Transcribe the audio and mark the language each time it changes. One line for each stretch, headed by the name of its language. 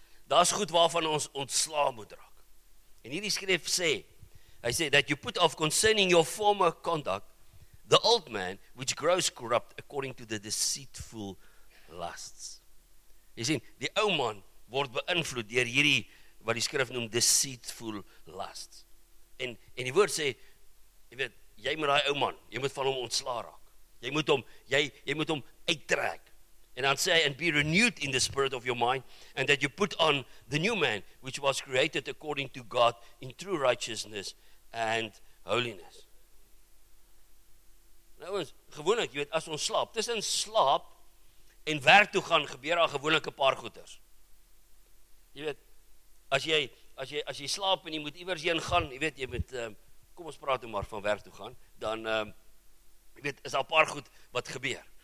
Afrikaans: Daar's goed waarvan ons ontslaa moet raak. En hierdie skrif sê, hy sê
English: that you put off concerning your former conduct the old man which grows corrupt according to the deceitful lusts.
Afrikaans: Jy sien, die ou man word beïnvloed deur hierdie wat die skrif noem
English: deceitful lusts.
Afrikaans: En die woord sê, jy weet, jy moet daai ou man, jy moet van hom ontslaa raak. Jy moet hom uittrek. En dan sê hy,
English: and be renewed in the spirit of your mind, and that you put on the new man, which was created according to God in true righteousness and holiness.
Afrikaans: Nou ons, gewoonlik, jy weet, as ons slaap, tussen slaap en werk toe gaan, gebeur daar gewoonlik 'n paar goeters. Jy weet, as jy slaap en jy moet iewers heen gaan, jy weet, jy moet, kom ons praat nou maar van werk toe gaan, dan, jy weet, is daar 'n paar goed wat gebeur.